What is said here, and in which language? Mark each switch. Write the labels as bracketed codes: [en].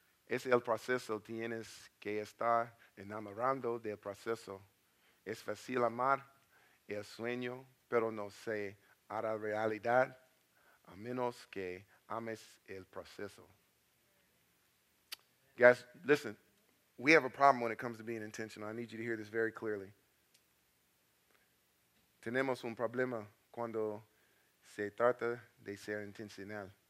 [es] Es el proceso, tienes que estar enamorando del proceso. Es fácil amar el sueño, pero no se hará realidad a menos que ames el proceso. [en] Guys, listen, we have a problem when it comes to being intentional. I need you to hear this very clearly. [es] Tenemos un problema cuando se trata de ser intencional.